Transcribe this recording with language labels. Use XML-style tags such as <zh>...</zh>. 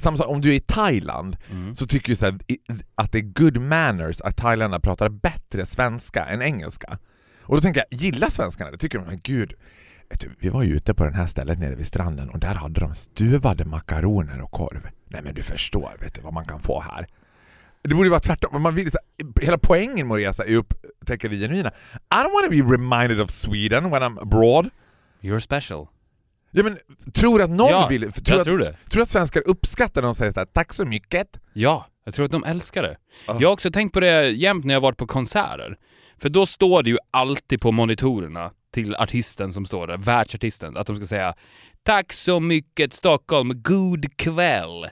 <sv>Samma sak, om du är i Thailand så tycker du så här, att det är</sv> <en>good manners</en> <sv>att thailändare pratar bättre svenska än engelska. Och då tänker jag, gillar svenskarna det? Tycker de, men gud, vi var ju ute på den här stället nere vid stranden och där hade de stuvade makaroner och korv. Nej, men du förstår, vet du, vad man kan få här. Det borde ju vara tvärtom. Man vill, så här, hela poängen med att resa är upptäcka det genuina.</sv> <en>I don't want to be reminded of Sweden when I'm abroad. You're special.</en> <sv>Ja, men tror du att någon vill... Tror jag tror det. Tror du att svenskar uppskattar när de säger så här, tack så mycket? Ja, jag tror att de älskar det. Jag har också tänkt på det jämt när jag varit på konserter. För då står det ju alltid på monitorerna till artisten som står där, världsartisten, att de ska säga tack så mycket Stockholm, god kväll.</sv>